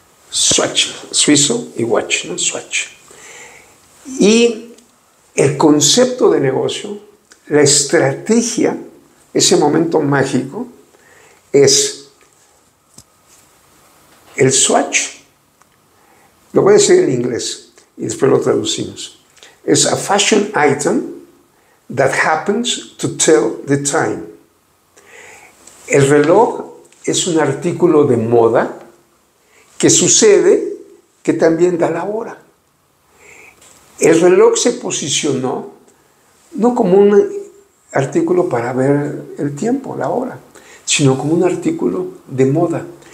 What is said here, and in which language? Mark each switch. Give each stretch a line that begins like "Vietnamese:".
Spanish: Swatch, suizo y watch, ¿no? Swatch. Y el concepto de negocio, la estrategia, ese momento mágico, es el Swatch. Lo voy a decir en inglés y después lo traducimos.
English: Es a fashion item that happens to tell the time.
Spanish: El reloj es un artículo de moda que sucede que también da la hora. El reloj se posicionó no como un artículo para ver el tiempo, la hora, sino como un artículo de moda.